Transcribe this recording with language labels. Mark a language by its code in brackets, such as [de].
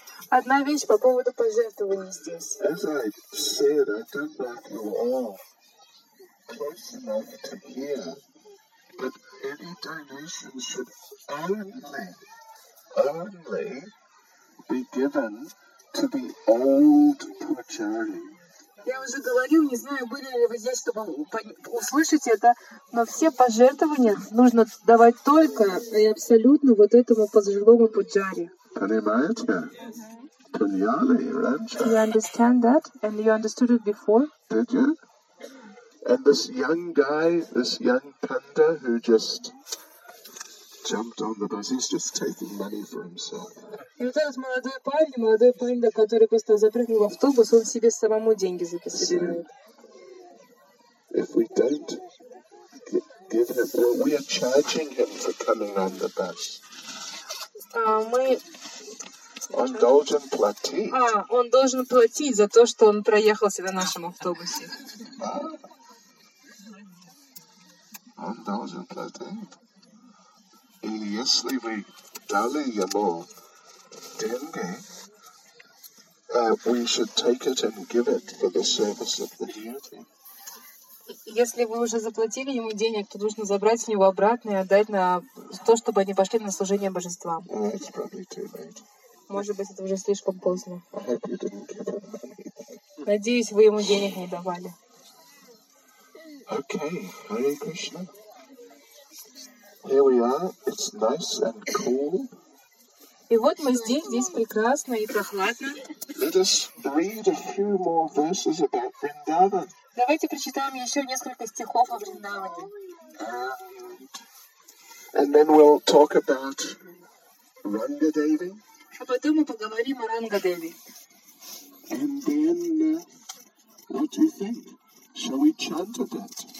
[ru] Одна вещь по поводу пожертвований здесь. [en] As I said, I don't know if you are close enough to hear, but any donations should only be given to the old pujari. [ru] Я уже говорил, не знаю, были ли вы здесь, чтобы услышать это, но все пожертвования нужно давать только и абсолютно вот этому пожилому пуджари. Понимаете? Пуньяли, раньше. [en] You understand that? And you understood it before? Did you? And this young guy, this young panda who just jumped on the bus. He's just taking money for himself. [ru] И вот этот молодой парень, да, который просто запрыгнул в автобус, он себе самому деньги собирает. [en] If we don't give him, well, we are charging him for coming on the bus. [ru] Он должен платить. Он должен платить за то, что он проехался на нашем автобусе. Он должен платить. И если вы дали ему деньги, [en] we should take it and give it for the service of the deity. [ru] Если вы уже заплатили ему денег, то нужно забрать с него обратно и отдать на то, чтобы они пошли на служение божествам. [en] It's probably too late. [ru] Может быть, это уже слишком поздно. [en] I hope you didn't give him money. [ru] Надеюсь, вы ему денег не давали. [en] Okay, Hare Krishna. Here we are. It's nice and cool. [ru] И вот мы здесь, здесь прекрасно и прохладно. [en] Let us read a few more verses about Vrindavan. [ru] Давайте прочитаем еще несколько стихов о Вриндаване. [en] And then we'll talk about Ranga Devi. [ru] А потом мы поговорим о Ранга Деви. [en] And then, what do you think? Shall we chant a bit?